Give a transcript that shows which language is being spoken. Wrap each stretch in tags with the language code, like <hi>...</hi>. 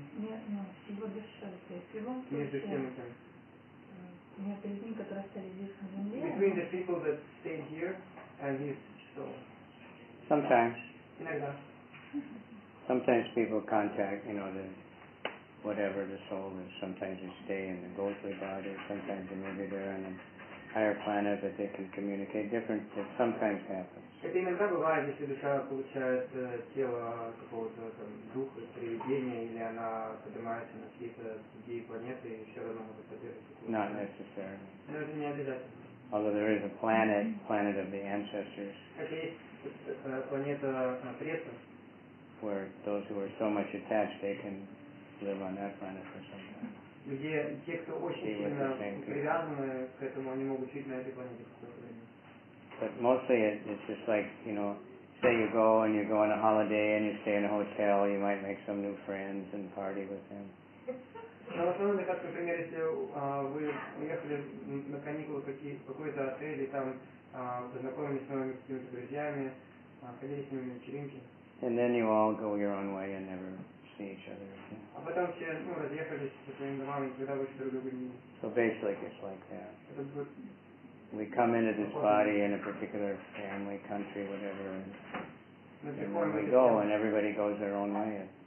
<en>Between the people that stayed here and his soul. Sometimes.</en> <ru>Иногда.</ru> <en>Sometimes people contact, you know, the whatever the soul is. Sometimes they stay in the ghostly body. Sometimes they maybe they're on a higher planet that they can communicate. Different. It sometimes happens.</en> <ru>Это иногда бывает, если душа получает тело какого-то там духа, привидения, или она поднимается на какие-то другие планеты и все равно может поддерживать.</ru> <en>Not necessarily.</en> <ru>Но это не обязательно.</ru> <en>Although there is a planet, planet of the ancestors.</en> <ru>Хотя есть планета предков.</ru> <en>Where those who are so much attached, they can live on that planet for some time.</en> <ru>Где те, кто очень сильно привязаны к этому, они могут жить на этой планете какое-то время.</ru> <en>But mostly it's just like, you know, say you go and you go on a holiday and you stay in a hotel, you might make some new friends and party with them.</en> <ru>Но в основном, как, например, если вы уехали на каникулы в какой-то отель и там познакомились с новыми какими-то друзьями, ходили с ними на вечеринки.</ru> <en>And then you all go your own way and never see each other again. So basically it's like that. We come into this body in a particular family, country, whatever, and then we go and everybody goes their own way.</en>